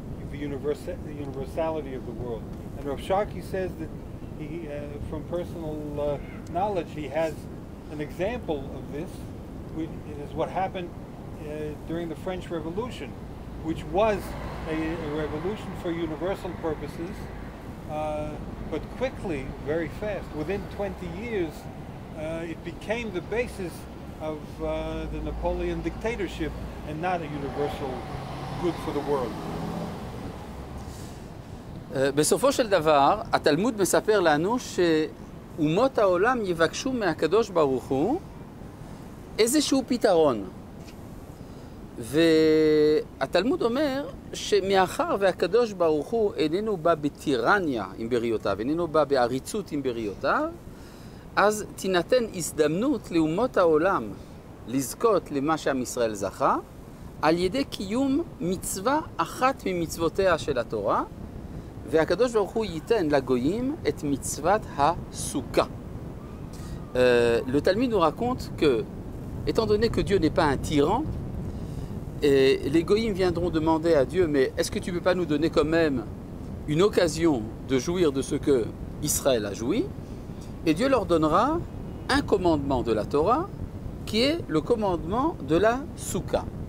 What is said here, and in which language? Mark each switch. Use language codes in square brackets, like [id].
[en] the universality of the world. And Rav Sharkey says that he, from personal knowledge, he has an example of this, which is what happened during the French Revolution, which was a revolution for universal purposes, but quickly, very fast, within 20 years, it became the basis of the Napoleon dictatorship and not a universal good for the world. [he] בסופו של דבר, התלמוד מספר לנו שאומות העולם יבקשו מהקדוש ברוך הוא איזשהו פתרון. והתלמוד אומר שמאחר והקדוש ברוך הוא איננו בא בטירניה עם בריאותיו, איננו בא בעריצות עם בריאותיו, אז תינתן הזדמנות לאומות העולם לזכות למה שעם ישראל זכה, על ידי קיום מצווה אחת ממצוותיה של התורה, והקדוש ברוך הוא ייתן לגויים את מצוות הסוכה. [fr] לתלמיד הוא רקונט כאתן דונה כדיו נפה אינטירן, les goyim viendront demander à Dieu, mais est-ce que tu ne peux pas nous donner quand même une occasion de jouir de ce que Israël a joui? Et Dieu leur donnera un commandement de la Torah, qui est le commandement de la Souka.